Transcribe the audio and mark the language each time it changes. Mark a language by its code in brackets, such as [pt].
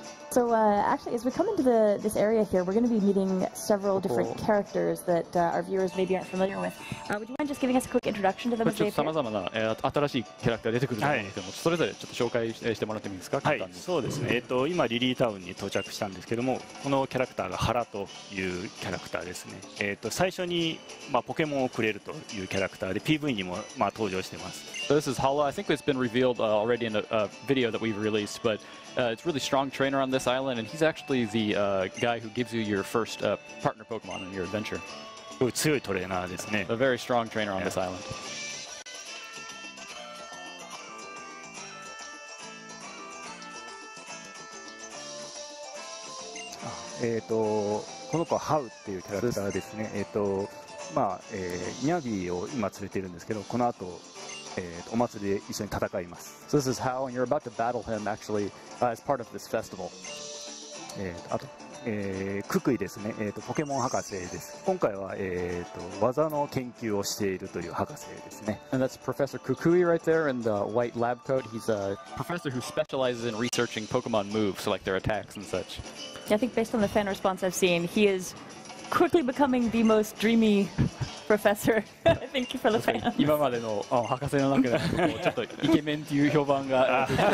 [en] So, actually, as we come into this area here, we're going to be meeting several different characters that our viewers maybe aren't familiar with. Would you mind just giving us a quick introduction to them? [ja] ちょっと様々な、新しいキャラクターが出てくると思うんですけども、はい、それぞれちょっと紹介してもらってもいいですか、はい、そうですね。今、リリータウンに到着したんですけども、このキャラクターがハラというキャラクターですね。最初に、まあ、ポケモンをくれるというキャラクターで、PV にも、まあ、登場しています。 [en] So、this is Hala. I think it's been revealed already in a video that we've released, but it's really strong trainer on this island, and he's actually the guy who gives you your first partner Pokemon in your adventure. [ja] 強いトレーナーですね。 [en] A very strong trainer on this island. [ja] この子はハウっていうキャラクターですね。まあ、ニャビーを今連れているんですけど、この後お祭りで一緒に戦います。 [en] So this is how, and you're about to battle him actually, as part of this festival. [ja] あと、ククイですね。ポケモン博士です。今回は、技の研究をしているという博士ですね。 [en] And that's Professor Kukui right there in the white lab coat. He's a professor who specializes in researching Pokemon moves, so like their attacks and such. Yeah, I think based on the fan response I've seen, he is quickly becoming the most dreamy. Professor, thank you for the fans. [ja] 今までの博士の中でもちょっとイケメンという評判が。